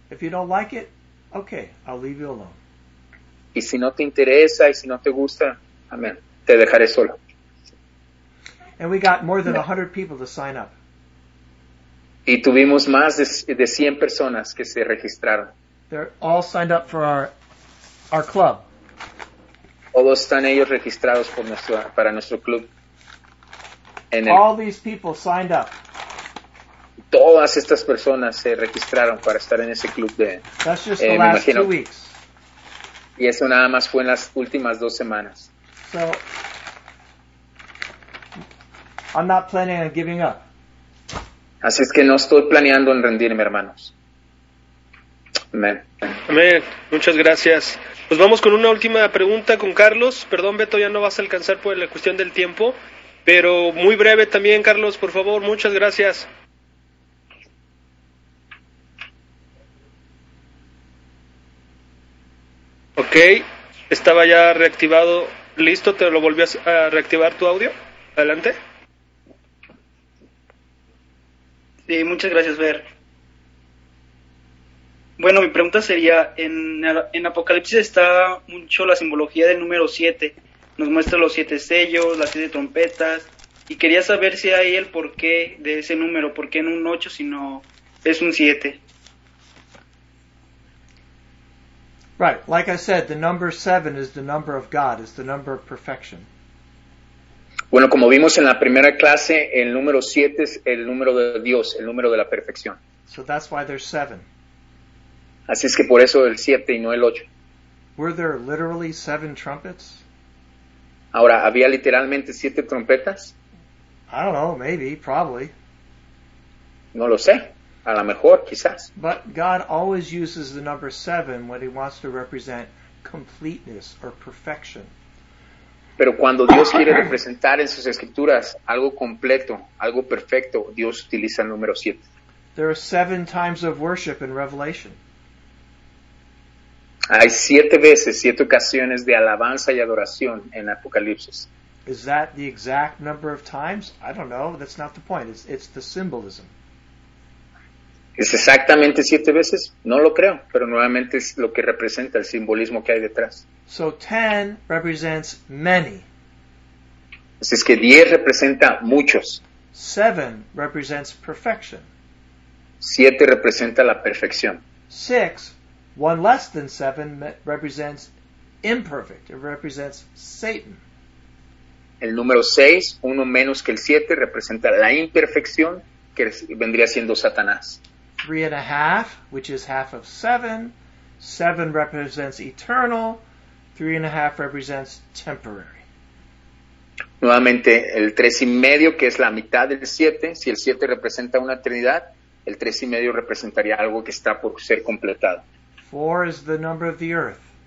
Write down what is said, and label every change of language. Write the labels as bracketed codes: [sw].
[en] If you don't like it, okay, I'll leave you alone. [es] Y si no te interesa y si no te gusta, amén, te dejaré solo. [en] And we got more than 100 people to sign up. [es] Y tuvimos más de 100 personas que se registraron. [en] They're all signed up for our club. [es] Todos están ellos registrados para nuestro club. [en] All these people signed up. [es] Todas estas personas se registraron para estar en ese club de. [en] That's just the last 2 weeks. [es] Y eso nada más fue en las últimas 2 semanas. [en] So, I'm not planning on giving up. [es] Así es que no estoy planeando en rendirme, hermanos. Amén. Amén. Muchas gracias. Pues vamos con una última pregunta con Carlos. Perdón, Beto, ya no vas a alcanzar por la cuestión del tiempo. Pero muy breve también, Carlos, por favor. Muchas gracias. Ok. Estaba ya reactivado. Listo, te lo volví a reactivar tu audio. Adelante. Sí, muchas gracias, Fer. Bueno, mi pregunta sería, en Apocalipsis está mucho la simbología del número 7. Nos muestra los 7 sellos, las 7 trompetas, y quería saber si hay el porqué de ese número, por qué no un 8, sino es un 7. [en] Right, like I said, the number 7 is the number of God, is the number of perfection. [es] Bueno, como vimos en la primera clase, el número 7 es el número de Dios, el número de la perfección. [en] So that's why there's 7. [es] Así es que por eso el 7 y no el 8. [en] Were there literally 7 trumpets? [es] Ahora, ¿había literalmente 7 trompetas? [en] I don't know, maybe, probably. [es] No lo sé. A lo mejor, quizás. [en] But God always uses the number 7 when he wants to represent completeness or perfection. [es] Pero cuando Dios quiere representar en sus escrituras algo completo, algo perfecto, Dios utiliza el número 7. [en] There are 7 times of worship in Revelation. [es] Hay 7 veces, 7 ocasiones de alabanza y adoración en Apocalipsis. [en] Is that the exact number of times? I don't know, that's not the point. It's the symbolism. [es] ¿Es exactamente 7 veces? No lo creo, pero nuevamente es lo que representa el simbolismo que hay detrás. [en] So 10 represents many. [es] Así es que 10 representa muchos. [en] 7 represents perfection. [es] 7 representa la perfección. [en] 6, one less than 7, represents imperfect. It represents Satan. [es] El número 6, uno menos que el 7, representa la imperfección, que vendría siendo Satanás. [en] 3.5, which is half of 7. 7 represents eternal. 3.5 represents temporary. [es] Nuevamente, el 3.5, que es la mitad del 7. Si el 7 representa una eternidad, el 3.5 representaría algo que está por ser completado. [en] 4 is the number of the earth.